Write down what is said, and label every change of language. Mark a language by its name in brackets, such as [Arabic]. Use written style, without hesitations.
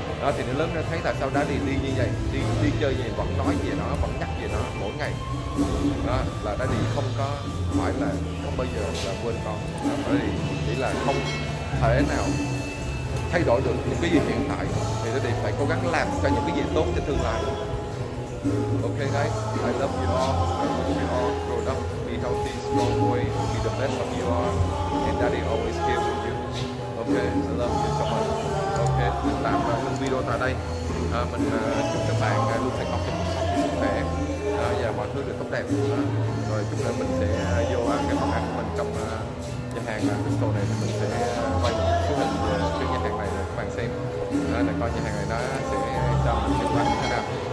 [Vietnamese] Đó, thì nó lớn lên thấy tại sao đã đi như vậy, đi chơi gì vẫn nói gì nó, vẫn nhắc gì nó mỗi ngày. Đó, là đã đi không có phải là không bao giờ là quên con. Đó, đi chỉ là không thể nào thay đổi được những cái gì hiện tại thì tôi định phải cố gắng làm cho những cái gì tốt cho tương lai. [English] Ok guys, I love you all. I love you all. Grow up, be healthy, strong boy, be the best of you all. And daddy always care for you. Ok, I love you so much. [Vietnamese] Ok, mình tạm dừng video tại đây. Mình chúc các bạn luôn thành công trong cuộc sống, sức khỏe và mọi thứ được tốt đẹp. Rồi chúc là mình sẽ vô cái phòng ăn của mình trong nhà hàng Crystal này, thì mình sẽ quay chụp hình trước nhà hàng này để các bạn xem là coi nhà hàng này nó sẽ cho mình xem quán thế nào.